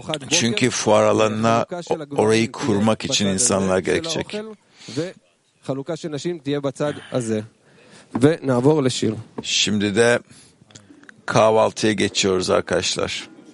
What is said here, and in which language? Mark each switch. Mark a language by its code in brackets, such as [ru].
[tr] Çünkü fuar alanına orayı kurmak için insanlar gelecek. [he] Ve haluka של נשים תהיה בצד הזה. ונעבור לשיר. [tr] Şimdi de kahvaltıya geçiyoruz arkadaşlar.